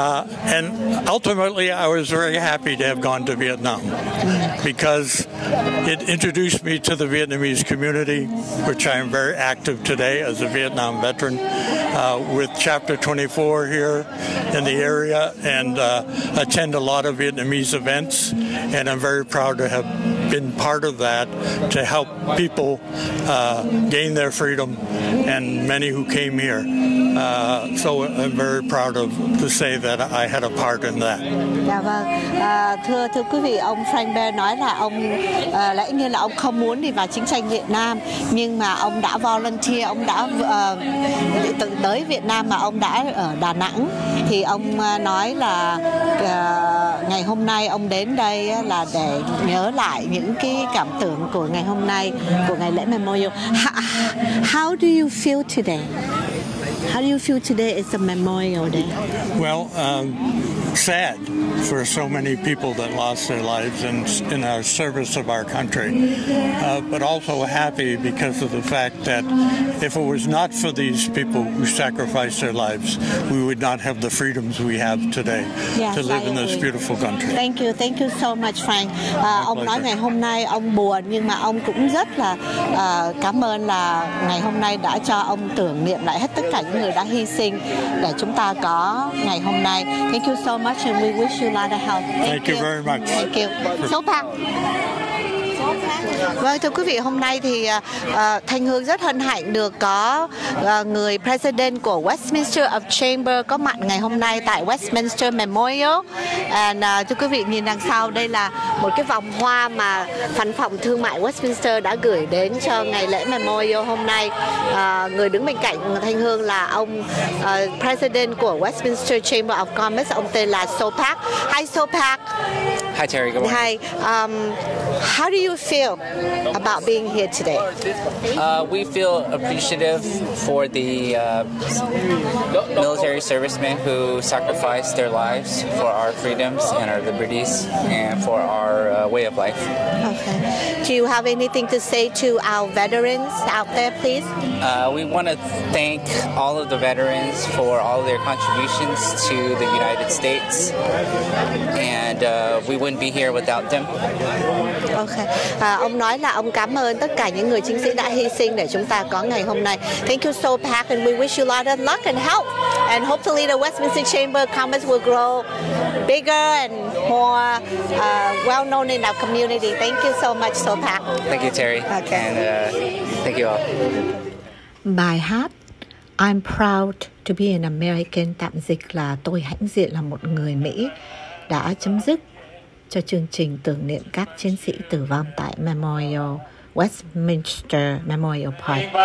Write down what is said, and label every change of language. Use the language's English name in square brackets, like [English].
[English] And ultimately, I was very happy to have gone to Vietnam because it introduced me to the Vietnamese community, which I am very active today as a Vietnam veteran, with Chapter 24 here in the area, and attend a lot of Vietnamese events, and I'm very proud to have been part of that to help people gain their freedom, and many who came here. So I'm very proud of to say that I had a part in that. [Vietnamese] Dạ vâng. Thưa quý vị, ông Frank Bear nói là ông lẽ nhiên là ông không muốn đi vào chiến tranh Việt Nam, nhưng mà ông đã volunteer, ông đã tự tới Việt Nam mà ông đã ở Đà Nẵng. Thì ông nói là ngày hôm nay ông đến đây là để nhớ lại những cái cảm tưởng của ngày hôm nay, của ngày lễ Memorial. [English] How do you feel today? How do you feel today is a Memorial Day? Well, sad for so many people that lost their lives in our service of our country, but also happy because of the fact that if it was not for these people who sacrificed their lives, we would not have the freedoms we have today to live in this beautiful country. Thank you so much, Frank. [Vietnamese] Ông nói ngày hôm nay ông buồn, nhưng mà ông cũng rất là cảm ơn là ngày hôm nay đã cho ông tưởng niệm lại hết tất cả những người đã hy sinh để chúng ta có ngày hôm nay. [English] Thank you so much, and we wish you a lot of health. Thank you very much. Thank you. So far. [Vietnamese] Vâng, thưa quý vị, hôm nay thì Thanh Hương rất hân hạnh được có người President của Westminster of Chamber có mặt ngày hôm nay tại Westminster Memorial. And thưa quý vị, nhìn đằng sau đây là một cái vòng hoa mà Văn phòng Thương mại Westminster đã gửi đến cho ngày lễ Memorial hôm nay. Người đứng bên cạnh Thanh Hương là ông President của Westminster Chamber of Commerce, ông tên là Sopak. [English] Hi Sopak. Hi Terry, good morning. Hi. How do you feel about being here today? We feel appreciative for the military servicemen who sacrificed their lives for our freedoms and our liberties and for our way of life. Okay. Do you have anything to say to our veterans out there, please? We want to thank all of the veterans for all their contributions to the United States, and we wouldn't be here without them. Okay. [Vietnamese] Ông nói là ông cảm ơn tất cả những người chiến sĩ đã hy sinh để chúng ta có ngày hôm nay. [English] Thank you so much, and we wish you a lot of luck and health. And hopefully the Westminster Chamber of Commerce will grow bigger and more well-known in our community. Thank you so much, Sopak. Thank you, Terry. Okay. And thank you all. [Vietnamese] Bài hát I'm Proud to be an American, tạm dịch là tôi hãnh diện là một người Mỹ, đã chấm dứt cho chương trình tưởng niệm các chiến sĩ tử vong tại Memorial Westminster Memorial Park.